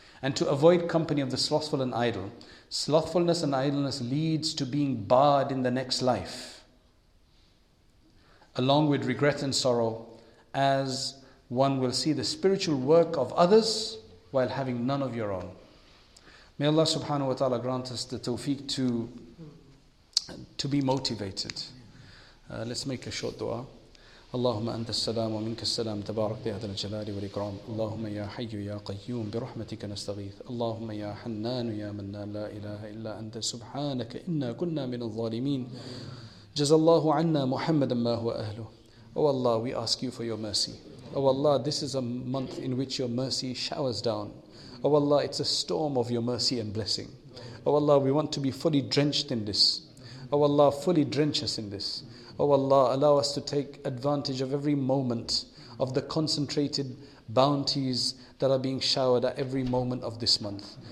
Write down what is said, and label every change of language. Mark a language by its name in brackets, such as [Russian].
[English] And to avoid company of the slothful and idle. Slothfulness and idleness leads to being barred in the next life, along with regret and sorrow, as one will see the spiritual work of others while having none of your own. May Allah subhanahu wa ta'ala grant us the tawfiq to be motivated. Let's make a short dua. [Arabic] اللهم أنت السلام ومنك السلام تبارك يا ذا الجلال والإكرام اللهم يا حي يا قيوم برحمتك نستغيث اللهم يا حنان يا منان لا إله إلا أنت سبحانك إنا كنا من الظالمين جزا الله عنا محمدا ما هو أهله. [English] Oh Allah, we ask you for your mercy. Oh Allah, this is a month in which your mercy showers down. Oh Allah, it's a storm of your mercy and blessing. Oh Allah, we want to be fully drenched in this. Oh Allah, fully drench us in this. Oh Allah, allow us to take advantage of every moment of the concentrated bounties that are being showered at every moment of this month.